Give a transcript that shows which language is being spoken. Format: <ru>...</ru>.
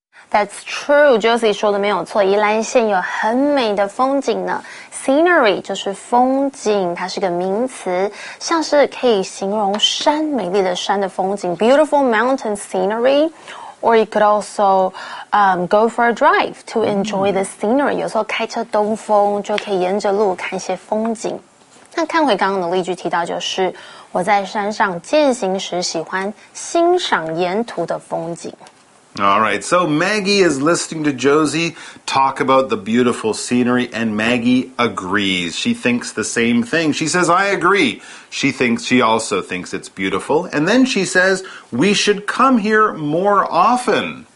<en>That's true,</en> <zh>Josie 说的没有错，宜兰县有很美的风景呢。 Scenery 就是风景，它是个名词，像是可以形容山，美丽的山的风景 ，</zh> <en>beautiful mountain scenery。 Or you could also go for a drive to enjoy the scenery.</en> <zh>有时候开车东风就可以沿着路看一些风景。那看回刚刚的例句提到就是我在山上健行时喜欢欣赏沿途的风景。</zh> <en>All right, so Maggie is listening to Josie talk about the beautiful scenery, and Maggie agrees. She thinks the same thing. She says, I agree. She also thinks it's beautiful. And then she says, we should come here more often.</en>